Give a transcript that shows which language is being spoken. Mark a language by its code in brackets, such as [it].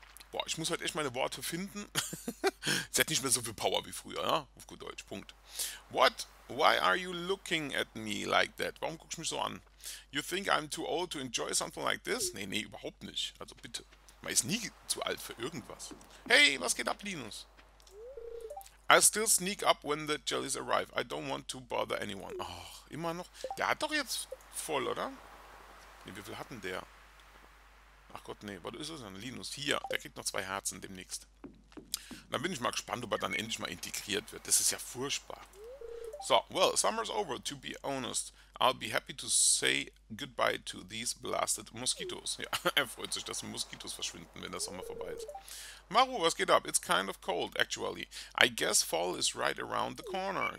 [de] Boah, ich muss halt echt meine Worte finden. Sie hat nicht mehr so viel Power wie früher, ja? Auf gut Deutsch, Punkt. What? [en] Why are you looking at me like that? [de] Warum guckst du mich so an? [en] You think I'm too old to enjoy something like this? [de] Nee, nee, überhaupt nicht. Also bitte. Man ist nie zu alt für irgendwas. Hey, was geht ab, Linus? [en] I still sneak up when the jellies arrive. I don't want to bother anyone. [de] Ach, immer noch. Der hat doch jetzt voll, oder? Nee, wie viel hat denn der? Ach Gott, nee. Was ist das denn? Linus, hier. Der kriegt noch zwei Herzen demnächst. Dann bin ich mal gespannt, ob er dann endlich mal integriert wird. Das ist ja furchtbar. [en] So, well, summer's over, to be honest. I'll be happy to say goodbye to these blasted mosquitoes. [de] Ja, er freut sich, dass die Moskitos verschwinden, wenn der Sommer vorbei ist. [en] Maru, [de] was geht ab? [en] It's kind of cold, actually. I guess fall is right around the corner.